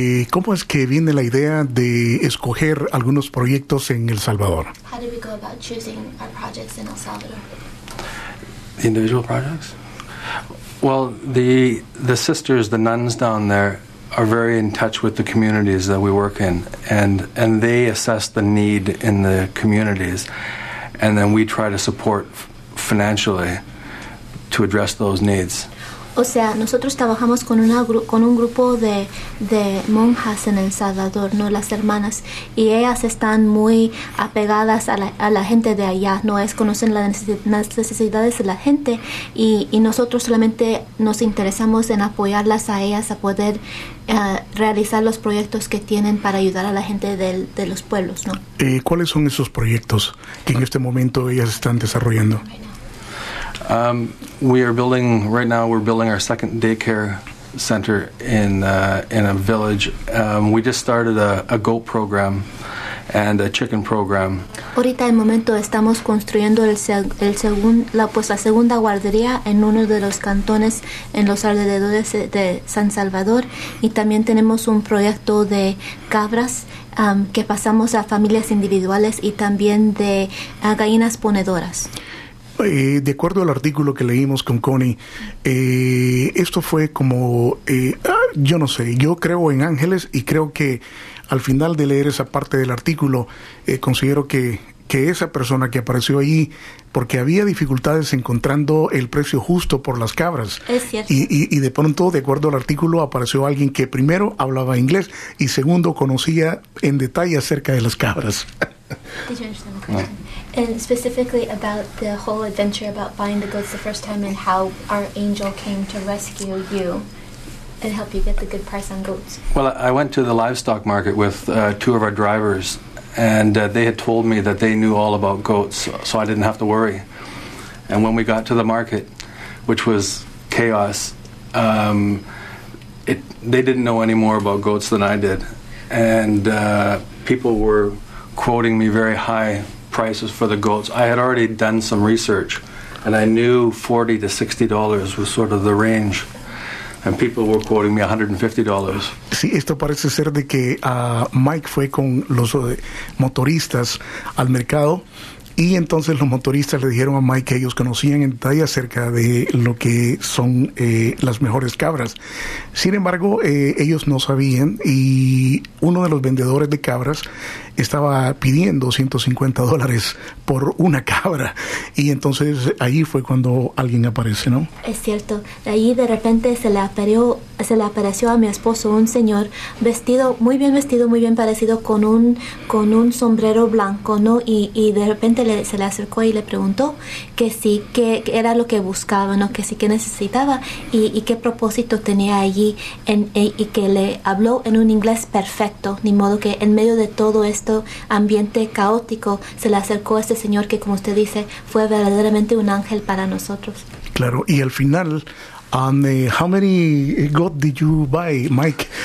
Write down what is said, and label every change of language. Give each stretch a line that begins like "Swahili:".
Spanish: ¿Cómo es que viene la idea de escoger algunos proyectos en El Salvador?
English: How did we go about choosing our projects in El Salvador? The individual projects? Well, the sisters, the nuns down there, are very in touch with the communities that we work in, and they assess the need in the communities, and then we try to support financially to address those needs.
Spanish: O sea, nosotros trabajamos con un grupo de monjas en El Salvador, ¿no? Las hermanas, y ellas están muy apegadas a la gente de allá, ¿no? Es conocen las necesidades de la gente y nosotros solamente nos interesamos en apoyarlas a ellas a poder realizar los proyectos que tienen para ayudar a la gente de los pueblos, ¿no? ¿Cuáles son esos proyectos que en este momento ellas están desarrollando?
English: We are building, right now we're building our second daycare center in a village. We just started a goat program and a chicken program.
Spanish: Ahorita en momento estamos construyendo la segunda guardería en uno de los cantones en los alrededores de San Salvador, y también tenemos un proyecto de cabras que pasamos a familias individuales, y también de gallinas ponedoras. De acuerdo al artículo que leímos con Connie, esto fue como, yo no sé, yo creo en ángeles, y creo que al final de leer esa parte del artículo, considero que esa persona que apareció ahí, porque había dificultades encontrando el precio justo por las cabras. Es cierto. Y de pronto, de acuerdo al artículo, apareció alguien que primero hablaba inglés y segundo conocía en detalle acerca de las cabras.
English: Did you understand the question? No. And specifically about the whole adventure about buying the goats the first time and how our angel came to rescue you and help you get the good price on goats. Well, I went to the livestock market with two of our drivers, and they had told me that they knew all about goats, so I didn't have to worry. And when we got to the market, which was chaos, they didn't know any more about goats than I did. And people were quoting me very high prices for the goats. I had already done some research, and I knew $40 to $60 was sort of the range, and people were quoting me $150.
Spanish: Sí, esto parece ser de que Mike fue con los motoristas al mercado, y entonces los motoristas le dijeron a Mike que ellos conocían en detalle acerca de lo que son las mejores cabras. Sin embargo, ellos no sabían, y uno de los vendedores de cabras estaba pidiendo $150 por una cabra. Y entonces ahí fue cuando alguien aparece, ¿no? Es cierto. Ahí de repente se le apareció a mi esposo un señor vestido, muy bien parecido, con un sombrero blanco, ¿no? Y de repente se le acercó y le preguntó que sí, que era lo que buscaba, ¿no? Que sí, que necesitaba, y qué propósito tenía allí, y que le habló en un inglés perfecto. Ni modo que en medio de todo este ambiente caótico se le acercó a este señor que, como usted dice, fue verdaderamente un ángel para nosotros. Claro, y al final,
English: how many goats did you buy, Mike?